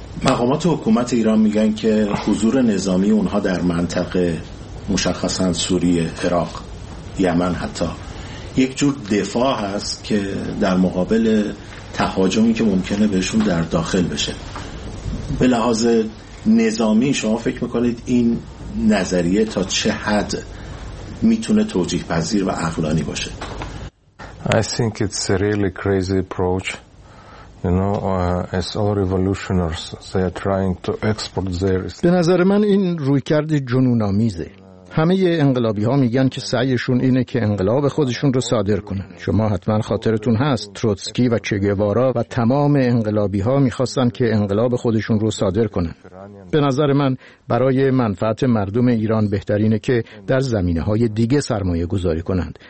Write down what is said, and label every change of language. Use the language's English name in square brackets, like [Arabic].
[Persian] مقامات حکومت ایران میگن که حضور نظامی اونها در منطقه، مشخصا سوریه، عراق، یمن حتی، یک جور دفاع هست که در مقابل تهاجمی که ممکنه بهشون در داخل بشه. به لحاظ نظامی شما فکر میکنید این نظریه تا چه حد میتونه توجیه پذیر و عقلانی باشه؟ [English] I think it's a really crazy approach. You know, as all revolutionaries, they are trying to export their. [Persian] به نظر من این رویکرد جنون‌آمیزه. همه انقلابی ها میگن که سعیشون اینه که انقلاب خودشون رو صادر کنن. شما حتما خاطرتون هست تروتسکی و چگوارا و تمام انقلابی ها میخواستن که انقلاب خودشون رو صادر کنن. به نظر من برای منفعت مردم ایران بهترینه که در زمینه های دیگه سرمایه گذاری کنند.